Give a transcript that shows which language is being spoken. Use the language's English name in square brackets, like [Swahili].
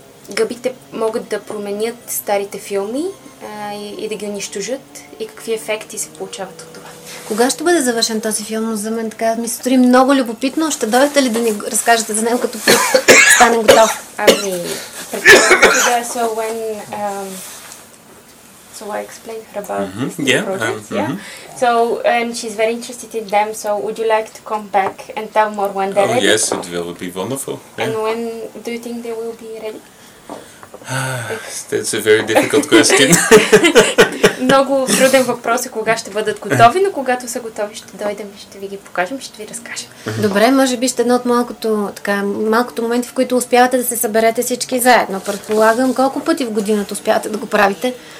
[Bulgarian] гъбите могат да променят старите филми и да ги унищожат и какви ефекти се получават от това. Кога ще бъде завършен този филм? За мен така ми се стори много любопитно. Ще дойдете ли да ни разкажете за него, като стане готов? Ами, предполагам, да, [English] so when... So I explained her about this project. So, and she's very interested in them, so would you like to come back and tell more when they're ready? Oh yes, it will be wonderful. Yeah. And when do you think they will be ready? That's a very difficult question. [Bulgarian] Много труден въпрос е кога ще бъдат готови, но когато са готови ще дойдем и ще ви ги покажем, ще ви разкажем. Добре, може би ще едно от малкото, така, малкото моменти, в които успявате да се съберете всички заедно. Предполагам, колко пъти в годината успявате да го правите?